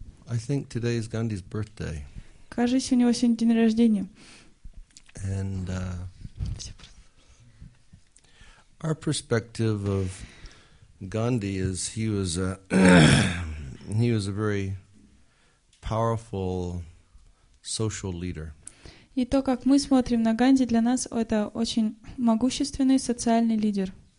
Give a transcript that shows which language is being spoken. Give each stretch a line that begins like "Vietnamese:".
English: I think today is Gandhi's birthday.
Russian: Кажется, у него сегодня день рождения.
English: And our perspective of Gandhi is he was a he was a very powerful social leader.
Russian: И то, как мы смотрим на Ганди, для нас это очень могущественный социальный лидер.